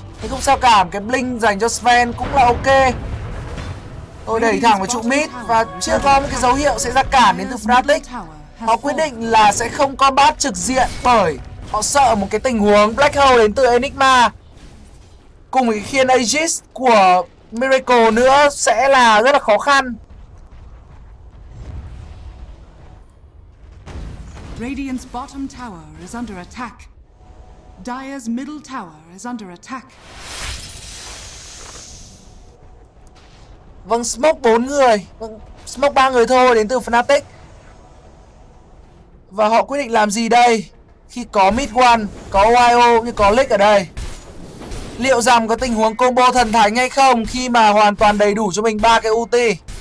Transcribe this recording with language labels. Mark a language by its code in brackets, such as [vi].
[vi] Thế không sao cả, cái Blink dành cho Sven cũng là ok. Tôi đẩy thẳng vào trụ mid và chưa có một cái dấu hiệu sẽ ra cản đến từ Fnatic. Họ quyết định là sẽ không combat trực diện bởi họ sợ một cái tình huống Black Hole đến từ Enigma cùng cái khiên Aegis của Miracle nữa sẽ là rất là khó khăn. [en] Radiant's bottom tower is under attack. Dire's middle tower is under attack. [vi] Vâng, smoke 4 người, vâng, smoke 3 người thôi đến từ Fnatic. Và họ quyết định làm gì đây khi có Mid One, có YO như có Lick ở đây. Liệu rằng có tình huống combo thần thánh hay không khi mà hoàn toàn đầy đủ cho mình 3 cái ulti.